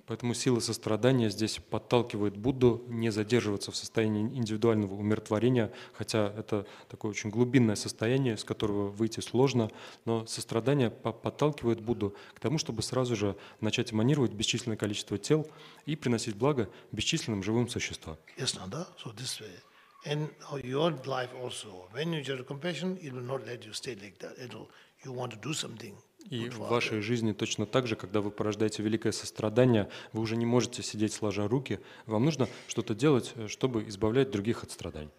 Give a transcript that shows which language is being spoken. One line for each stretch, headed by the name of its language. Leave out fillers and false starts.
Russian: Поэтому сила сострадания здесь подталкивает Будду не задерживаться в состоянии индивидуального умиротворения, хотя это такое очень глубинное состояние, из которого выйти сложно, но сострадание подталкивает Будду к тому, чтобы сразу же начать эманировать бесчисленное количество тел и приносить благо бесчисленным живым существам. Ясно, да?
English: So this way. And your life also, when you generate compassion, it will not let you stay like that. It'll, you want to do something.
Russian: И в вашей жизни точно так же, когда вы порождаете великое сострадание, вы уже не можете сидеть сложа руки. Вам нужно что-то делать, чтобы избавлять других от страданий.